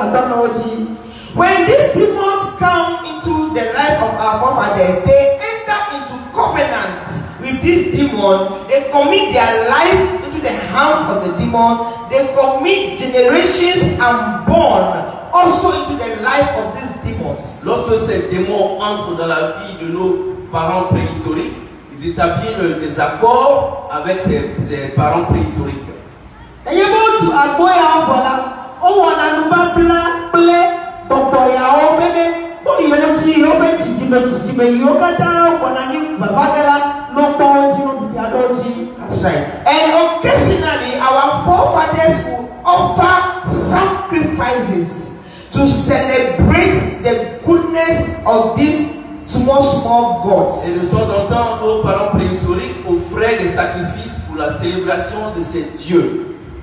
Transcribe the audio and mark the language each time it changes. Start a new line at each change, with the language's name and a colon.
English: When these demons come into the life of our forefathers, they enter into covenant with this demon, they commit their life into the hands of the demon, they commit generations and born. Also into the life of these demons.
French: Lorsque ces démons entrent dans la vie de nos parents préhistoriques, ils établissent des accords avec ces parents préhistoriques.
English: And occasionally, our forefathers will offer sacrifices to celebrate the goodness of these small, small gods.
French: Et de temps en temps, nos parents préhistoriques offraient des sacrifices pour la célébration de ces dieux.